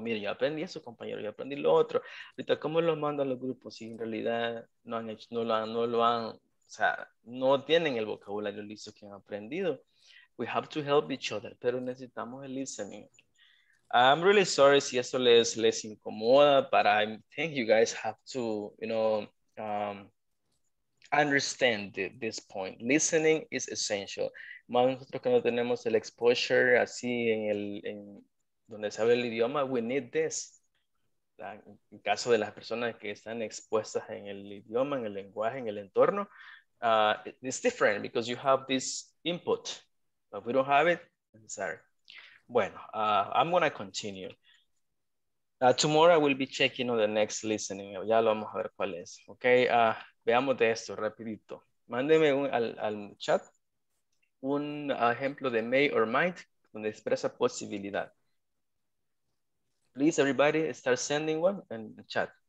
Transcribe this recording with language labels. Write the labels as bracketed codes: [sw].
[es] Mira, yo aprendí eso, compañero, yo aprendí lo otro. Ahorita, ¿cómo lo mandan los grupos si en realidad no han hecho, no lo han, o sea, no tienen el vocabulario listo que han aprendido? [en] We have to help each other, [es] pero necesitamos el listening. [en] I'm really sorry [es] si eso les incomoda, [en] but I think you guys have to, you know, understand this point. Listening is essential. [es] Más nosotros que no tenemos el exposure así en donde se habla el idioma, [en] we need this. [es] En caso de las personas que están expuestas en el idioma, en el lenguaje, en el entorno, [en] it's different because you have this input. But we don't have it, sorry. Bueno, I'm gonna continue. Tomorrow I will be checking on the next listening. [es] Ya lo vamos a ver cuál es. Okay, veamos de esto rapidito. Mándeme al chat un ejemplo de may or might donde expresa posibilidad. [en] Please everybody start sending one in the chat.